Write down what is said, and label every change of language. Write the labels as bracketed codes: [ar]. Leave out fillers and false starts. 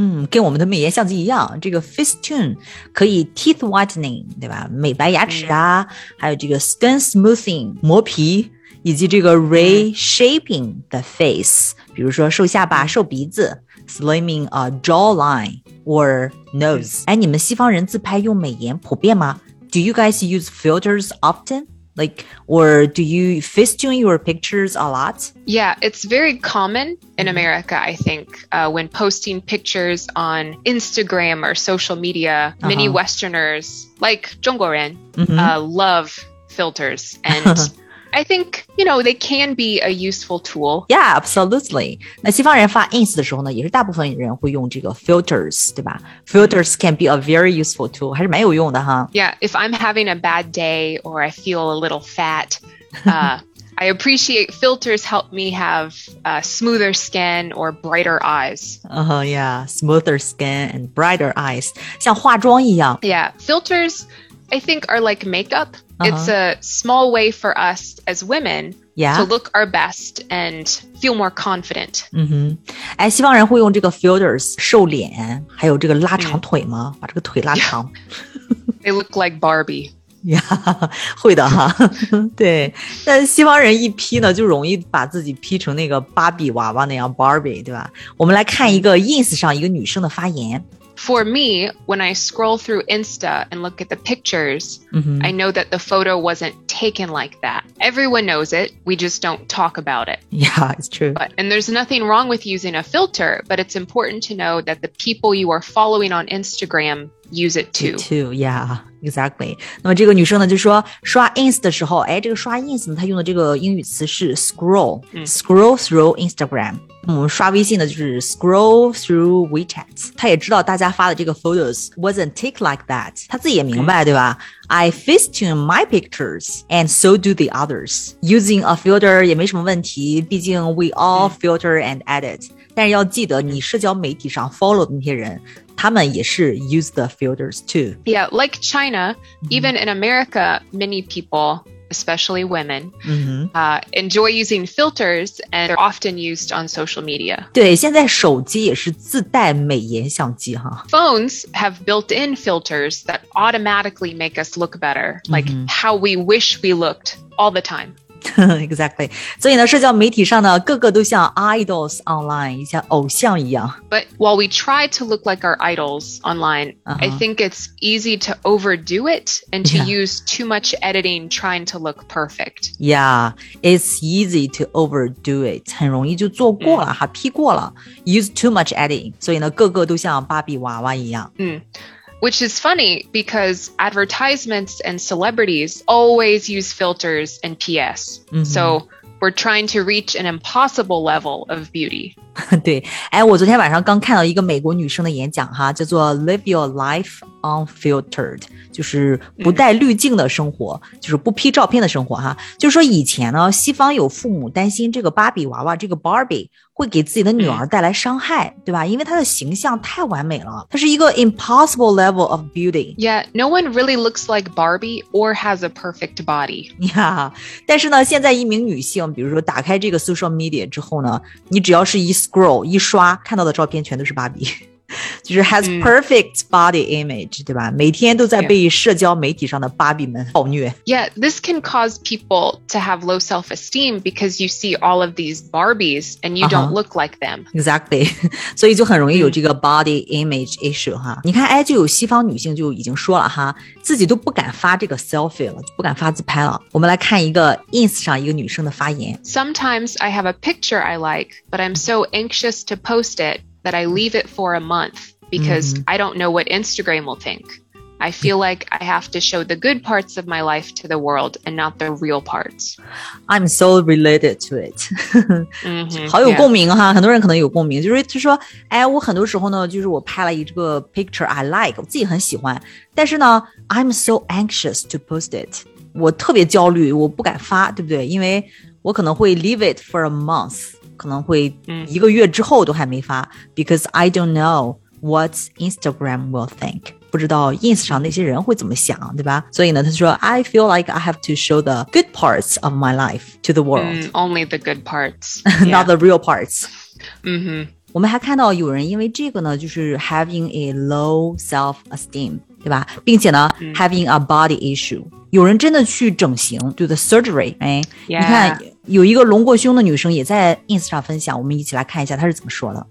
[zh] 跟我们的美颜相机一样，这个 Facetune 可以 [en] teeth whitening, [zh] 对吧？美白牙齿啊，还有这个 [en] skin smoothing, [zh] 磨皮，以及这个 [en] reshaping the face, [zh] 比如说瘦下巴、瘦鼻子 , [en] slimming a jawline,Or nose. [zh] 你们西方人自拍用美颜普遍吗？ [en] Do you guys use filters often? Like, or do you facetune your pictures a lot? Yeah, it's very common in America, I think, when posting pictures on Instagram or social media, many Westerners, like [zh] 中国人, [en] love filters. And I think, you know, they can be a useful tool. Yeah, absolutely. [zh] 那西方人发 ins 的时候呢，也是大部分人会用这个 filters, 对吧？ [en] Filters can be a very useful tool. [zh] 还是蛮有用的哈。 [en] Yeah, if I'm having a bad day or I feel a little fat, I appreciate filters help me have a smoother skin or brighter eyes. Smoother skin and brighter eyes. [zh] 像化妆一样。 [en] Yeah, filters, I think, are like makeup. It's a small way for us as women to look our best and feel more confident. [zh] 西方人会用这个 filters 瘦脸，还有这个拉长腿吗？把这个腿拉长。 [en] They look like Barbie. [zh] Yeah, 会的哈。对，但西方人一 P 呢，就容易把自己 P 成那个芭比娃娃那样 Barbie, 对吧？我们来看一个 ins 上一个女生的发言。 [en] For me, when I scroll through Insta and look at the pictures, I know that the photo wasn't taken like that. Everyone knows it. We just don't talk about it. Yeah, it's true. And there's nothing wrong with using a filter, but it's important to know that the people you are following on Instagram use it to. To, yeah, exactly. [zh] 那么这个女生呢就说刷 ins 的时候，哎，这个刷 ins 呢她用的这个英语词是 scroll,、mm. [en] scroll through Instagram. [zh] 我们刷微信的就是 scroll through WeChat, 他也知道大家发的这个 photos [en] wasn't take like that, [zh] 他自己也明白、嗯、对吧 [en] I festoon my pictures and so do the others, [zh] using a filter 也没什么问题，毕竟 [en] we all filter and edit,、 [zh] 嗯、但是要记得你社交媒体上 follow 的那些人他们也是 [en] use the filters too. Yeah, like China,、嗯、even in America, many peopleespecially women,、 mm-hmm. Enjoy using filters and they're often used on social media. [zh] 对，现在手机也是自带美颜相机哈。 [en] Phones have built-in filters that automatically make us look better, like、mm-hmm. how we wish we looked all the time. Exactly. [zh] 所以呢，社交媒体上呢，个个都像 [en] idols online, [zh] 像偶像一样。 [en] But while we try to look like our idols online,、uh-huh. I think it's easy to overdo it and to、yeah. use too much editing trying to look perfect. Yeah, it's easy to overdo it. [zh] 很容易就做过了、 [en] mm. [zh] 哈 P 过了 [en] use too much editing. [zh] 所以呢，个个都像芭比娃娃一样。嗯、mm. [en] Which is funny because advertisements and celebrities always use filters and PS.、Mm-hmm. So we're trying to reach an impossible level of beauty. [zh] 对，哎，我昨天晚上刚看到一个美国女生的演讲哈，叫做 [en] Live Your Life Unfiltered, [zh] 就是不带滤镜的生活、mm-hmm. 就是不 P 照片的生活哈。就是说以前呢，西方有父母担心这个芭比娃娃，这个 Barbie,会给自己的女儿带来伤害、嗯、对吧因为她的形象太完美了她是一个 [en] impossible level of beauty Yeah, no one really looks like Barbie or has a perfect body [zh] Yeah, 但是呢现在一名女性比如说打开这个 social media 之后呢你只要是一 scroll 一刷看到的照片全都是芭比就是 [en] has perfect body image、 [zh] 嗯、对吧每天都在被社交媒体上的芭比们暴虐 [en] Yeah, this can cause people to have low self-esteem because you see all of these Barbies and you don't、uh-huh. look like them [zh] Exactly 所以就很容易有这个 [en] body image issue、 [zh] 嗯、哈你看哎，就有西方女性就已经说了哈自己都不敢发这个 selfie 了不敢发自拍了我们来看一个 ins 上一个女生的发言 [en] Sometimes I have a picture I like but I'm so anxious to post itthat I leave it for a month because、mm-hmm. I don't know what Instagram will think. I feel、yeah. like I have to show the good parts of my life to the world and not the real parts. I'm so related to it. mm-hmm, [zh] 好有共鸣哈、yeah. 很多人可能有共鸣就是说哎我很多时候呢就是我拍了一个 [en] picture I like, [zh] 我自己很喜欢但是呢 [en] I'm so anxious to post it. [zh] 我特别焦虑我不敢发对不对因为我可能会 [en] leave it for a month. [zh] 可能会一个月之后都还没发、嗯、 [en] because I don't know what Instagram will think [zh] 不知道 ins 上那些人会怎么想对吧所以呢他说 [en] I feel like I have to show the good parts of my life to the world、嗯、only the good parts not the real parts、嗯、哼 [zh] 我们还看到有人因为这个呢就是 [en] having a low self-esteem [zh] 对吧并且呢、嗯、 [en] having a body issue [zh] 有人真的去整形 [en] do the surgery、 [zh] 哎 [en] yeah. [zh] 你看有一个隆过胸的女生也在 ins 上分享我们一起来看一下她是怎么说的